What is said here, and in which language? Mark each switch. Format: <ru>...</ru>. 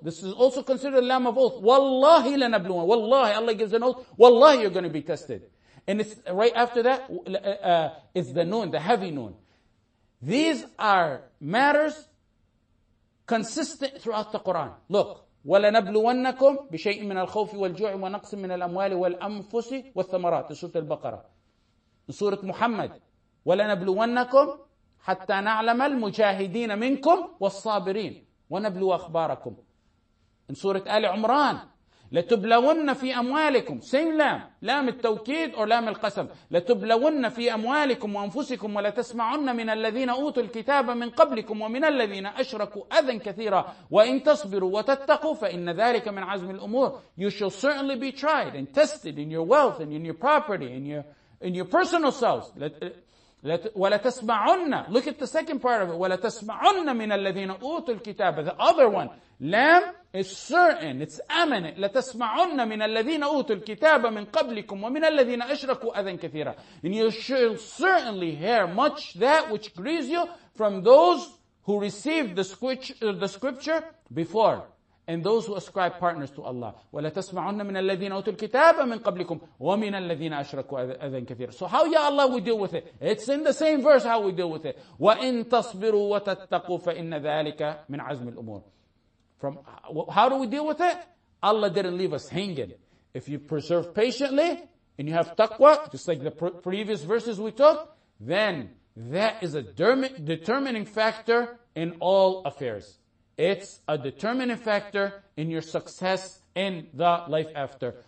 <en>This is also considered a lamb of oath. Wallahi lanabluwan. Wallahi, Allah gives an oath. Wallahi, you're going to be tested. And it's right after that, is the noon, the heavy noon. These are matters consistent throughout the Quran. Look.</en> <ar>وَلَنَبْلُوَنَّكُمْ بِشَيْءٍ مِّنَ الْخَوْفِ وَالْجُوعِ وَنَقْصٍ مِّنَ الْأَمْوَالِ وَالْأَنفُسِ وَالثَّمَرَاتِ</ar> <en>in Surah Al-Baqarah. Surah Muhammad.</en> <ar>وَلَنَبْلُوَنَّكُمْ حَتَّى نَعْلَمَ الْمُجَاهِدِينَ مِنْكُمْ وَالصَّابِرِينَ ونبلو أخباركم.</ar> <en>In Surah Ali Umran.</en> <ar>لَتُبْلَوُنَّ فِي أَمْوَالِكُمْ</ar> <en>Same lamb. Lamb التوكيد or lamb القسم.</en> <ar>لَتُبْلَوُنَّ فِي أَمْوَالِكُمْ وَأَنفُسِكُمْ وَلَتَسْمَعُنَّ مِنَ الَّذِينَ أُوتُوا الْكِتَابَ مِنْ قَبْلِكُمْ وَمِنَ الَّذِينَ أَشْرَكُوا أَذًا كَثِيرًا وَإِنْ تَصْبِرُوا وَتَتَّقُوا فَإِنَّ ذَلِكَ مِنْ عَزْمِ الْأُمُورِ</ar> <en>You shall certainly be tried and tested in your wealth and in your property and in your personal selves.</en> <ar>وَلَتَسْمَعُنَّ</ar> <en>Look at the second part of it.</en> <ar>وَلَتَسْمَعُنَّ مِنَ الَّذِينَ أُوتُوا الْكِتَابَ</ar> <en>The other one. Lamb is certain. It's imminent.</en> <ar>لَتَسْمَعُنَّ مِنَ الَّذِينَ أُوتُوا الْكِتَابَ مِنْ قَبْلِكُمْ وَمِنَ الَّذِينَ أَشْرَكُوا أَذًا كَثِيرًا</ar> <en>And you shall certainly hear much that which grieves you from those who received the scripture before. And those who ascribe partners to Allah.</en> <ar>وَلَتَسْمَعُنَّ مِنَ الَّذِينَ أُوتُوا الْكِتَابَ مِنْ قَبْلِكُمْ وَمِنَ الَّذِينَ أَشْرَكُوا أَذًا كَثِيرًا</ar> <en>So how, ya Allah, we deal with it? It's in the same verse how we deal with it.</en> <ar>وَإِن تَصْبِرُوا وَتَتَّقُوا فَإِنَّ ذَلِكَ مِنْ عَزْمِ الْأُمُورِ</ar> <en>From how do we deal with it? Allah didn't leave us hanging. If you preserve patiently and you have taqwa, just like the previous verses we took, then that is a determining factor in all affairs. It's a determining factor in your success in the life after.</en>